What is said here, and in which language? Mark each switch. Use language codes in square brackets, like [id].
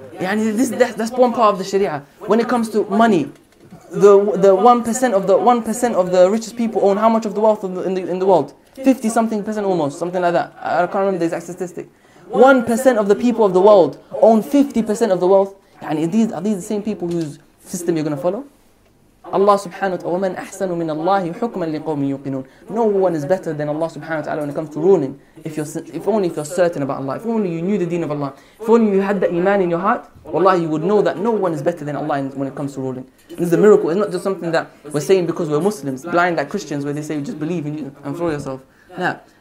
[en] Yeah, that's one part of the Sharia. When it comes to money, the 1% of the 1% of the richest people own how much of the wealth in the world? 50-something percent almost, something like that. I can't remember the exact statistic. 1% of the people of the world own 50% of the wealth. And are these the same people whose system you're going to follow? [ar] Allah subhanahu wa ta'ala, وَمَنْ أَحْسَنُ مِنَ اللَّهِ حُكْمًا لِقَوْمٍ يُقِنُونَ. [en] No one is better than Allah subhanahu wa ta'ala when it comes to ruling. If only you're certain about Allah, if only you knew the deen of Allah, if only you had that iman in your heart, wallahi, you would know that no one is better than Allah when it comes to ruling. This is a miracle. It's not just something that we're saying because we're Muslims, blind like Christians, where they say, just believe in you and throw yourself. No.